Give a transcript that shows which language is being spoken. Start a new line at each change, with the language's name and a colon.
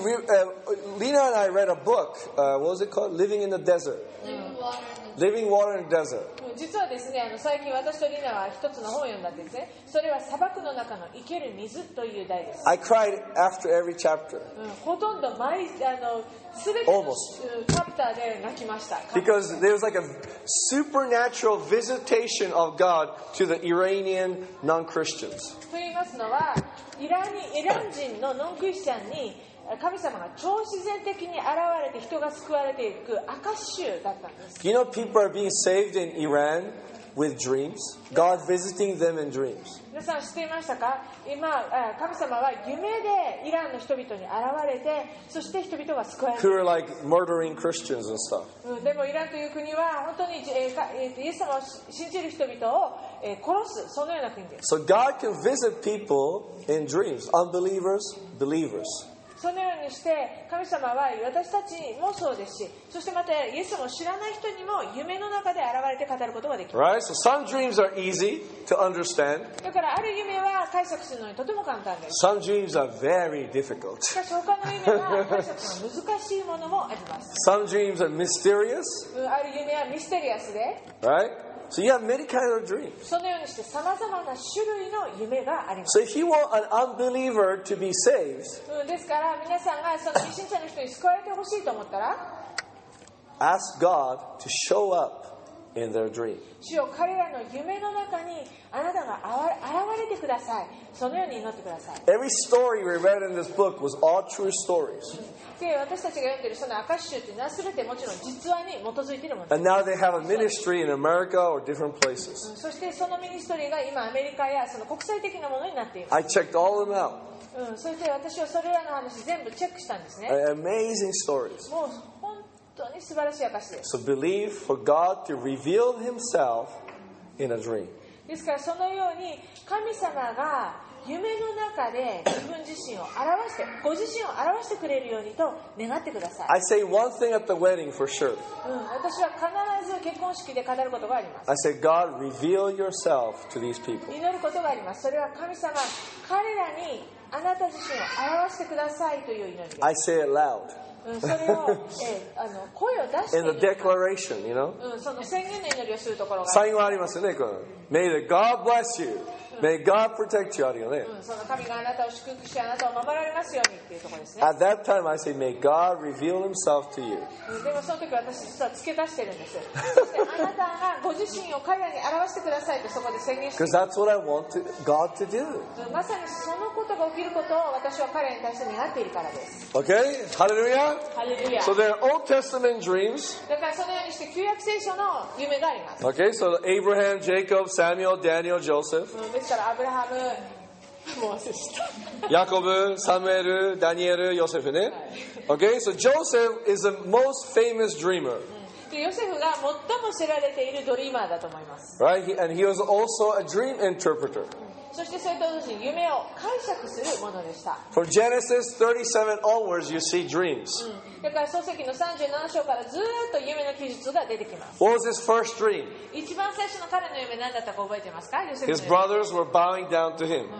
English: or Nebuchadnezzar. Actually, Lena and I read a book. What was it called? Living in the Desert. Living Water in the Desert.
Japanese: 実はですね、あの最近私とリナは一つの本を読んだんですね。それは砂漠の中の生ける水という題です。
English: I cried after every chapter.、
Japanese: うん、ほとんど毎あの全てのチャプターで泣きました。
English: Because there was like a supernatural visitation of God to the Iranian non-Christians.
Japanese: と言いますのは、イラン人のノンクリスチャンに神様が超自然的に現れて人が救われていく証だったんです。
English: You know, people are being saved in Iran. with dreams, God visiting them in dreams.
Japanese: 皆さん知っていましたか？今、神様は夢でイランの人々に現れて、そして人々は救われ
English: た。Who are like murdering Christians and stuff.
Japanese: でもイランという国は本当にイエス様を信じる人々を殺す、そのような国です。
English: So God can visit people in dreams, unbelievers, believers.
Japanese: そのようにして神様は私たちもそうですし、そしてまたイエス様を知らない人にも夢の中で現れて語ることができる。
English: Right? So some dreams are easy to understand.
Japanese: だからある夢は解釈するのにとても簡単です。
English: Some dreams are very difficult.
Japanese: しかし他の夢は解釈するのは難しいものもあります。
English: Some dreams are mysterious.
Japanese: ある夢はミステリアスで。
English: Right? So you have many kinds of dreams.
Japanese: そのようにして様々な種類の夢があります。
English: So if you want an unbeliever to be saved,
Japanese: ですから皆さんがその未信者の人に救われてほしいと思ったら、
English: ask God to show up in their dream.
Japanese: 主よ、彼らの夢の中にあなたが現れてください。そのように祈ってください。
English: Every story we read in this book was all true stories.
Japanese: で私たちが読んでいるその証しというのはすべてもちろん実話に基づいているものです。
English: And now they have a ministry in America or different places.
Japanese: そしてそのミニストリーが今アメリカやその国際的なものになっています。
English: I checked all of them out.
Japanese: そして私はそれらの話全部チェックしたんですね。
English: Amazing stories.
Japanese: もう本当に素晴らしい証しです。
English: So believe for God to reveal Himself in a dream.
Japanese: ですからそのように神様が夢の中で自分自身を表して、ご自身を表してくれるようにと願ってください。
English: I say one thing at the wedding for sure.
Japanese: 私は必ず結婚式で語ることがあります。
English: I say, God, reveal yourself to these people.
Japanese: 祈ることがあります。それは神様、彼らにあなた自身を表してくださいという祈りです。
English: I say it loud.
Japanese: それを、声を出して
English: in the declaration, you know?
Japanese: その宣言の祈りをするところが最後ありますよね、これ。
English: May the God bless you. May God protect you.
Japanese: あるよね。その神があなたを祝福し、あなたを守られますようにっていうところですね。
English: At that time, I say, May God reveal Himself to you.
Japanese: でもその時私実は付け足してるんです。そしてあなたがご自身を彼らに表してくださいとそこで宣言して。
English: Because that's what I want to, God to do.
Japanese: まさにそのことが起きることを私は彼らに対して願っているからです。
English: Okay? Hallelujah? Hallelujah. So there are Old Testament dreams.
Japanese: だからそのようにして旧約聖書の夢があります。
English: Okay, so Abraham, Jacob, Samuel, Daniel, Joseph.
Japanese: ですからアブラハム、モーセ、ヤコブ、サムエル、ダニエル、ヨセフね。はい、
English: okay, so Joseph is the most famous dreamer.
Japanese: でヨセフが最も知られているドリーマーだと思います。
English: Right, and he was also a dream interpreter.
Japanese: そしてそれと同時に夢を解釈するものでした。
English: From Genesis 37 onwards, you see dreams.
Japanese: だから創世記の37章からずっと夢の記述が出てきます。
English: What was his first dream?
Japanese: 一番最初の彼の夢何だったか覚えてますか？ヨセフ。
English: His brothers were bowing down to him.